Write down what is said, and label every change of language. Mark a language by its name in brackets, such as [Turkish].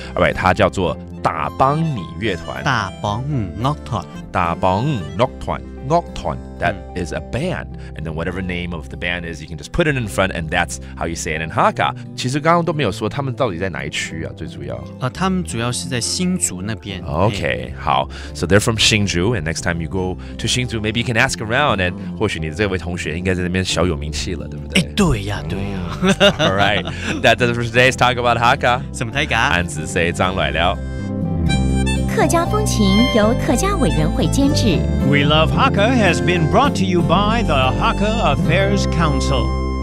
[English] All right, [Chinese] 他叫做打帮你乐团，打帮乐团，打帮乐团，乐团 [English] that is a band, and then whatever name of the band is, you can just put it in front, and that's how you say it in Hakka. [Chinese] 其实刚刚都没有说他们到底在哪一区啊？最主要啊，他们主要是在新竹那边。 [English] Okay, 好 ，so they're from 新竹, and next time you go to 新竹, maybe you can ask around, and [Chinese] 或许你的这位同学应该在那边小有名气了，对不对？哎，对呀，对呀。 [English] All right, that does it for today's talk about Hakka. [Chinese] 什么泰嘎？俺只说张来了。客家风情由客家委员会监制。 [English] We Love Hakka has been brought to you by the Hakka Affairs Council.